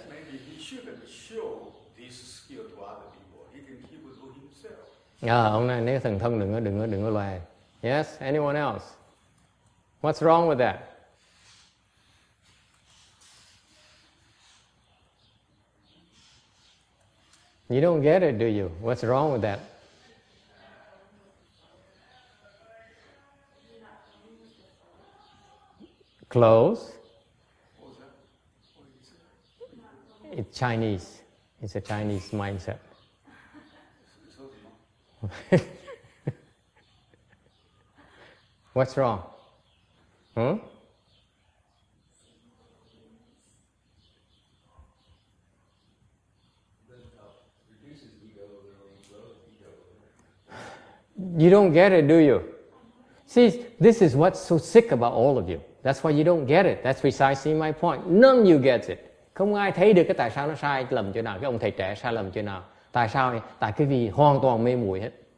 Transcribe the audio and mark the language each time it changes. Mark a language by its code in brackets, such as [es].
[en] Maybe he shouldn't show this skill to other people. He can keep it to himself. [vi] Ông này nếu thần thông đừng có loài. [en] Yes, anyone else? What's wrong with that? You don't get it, do you? What's wrong with that? Close. It's Chinese. It's a Chinese mindset. What's wrong? You don't get it, do you? See, this is what's so sick about all of you. That's why you don't get it. That's precisely my point. None of you gets it. [vi] Không ai thấy được cái tại sao nó sai lầm chỗ nào, cái ông thầy trẻ sai lầm chỗ nào. Tại sao? Tại cái vì hoàn toàn mê muội hết.